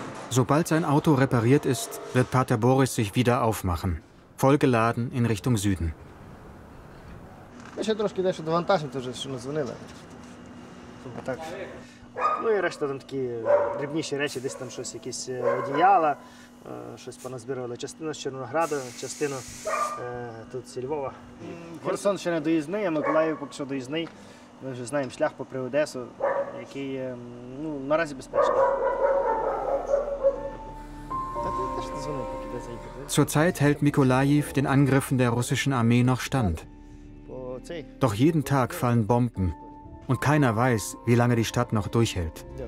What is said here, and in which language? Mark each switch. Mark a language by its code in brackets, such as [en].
[de] Sobald sein Auto repariert ist, wird Pater Boris sich wieder aufmachen, vollgeladen in Richtung Süden. [uk] Ми ще трошки дещо довантажимо, тож що ми дзвонили. Так. Ну і решта там такі дрібніші речі, десь там щось, якісь одіяла, щось поназбірували. Частину з Чорнограду, частину тут зі Львова. Херсон ще не доїзний, а Миколаїв поки що доїзний. Ми вже знаємо шлях попри Одесу, який ну, наразі безпечний. [de] Zurzeit hält Mikolajew den Angriffen der russischen Armee noch stand. Doch jeden Tag fallen Bomben. Und keiner weiß, wie lange die Stadt noch durchhält.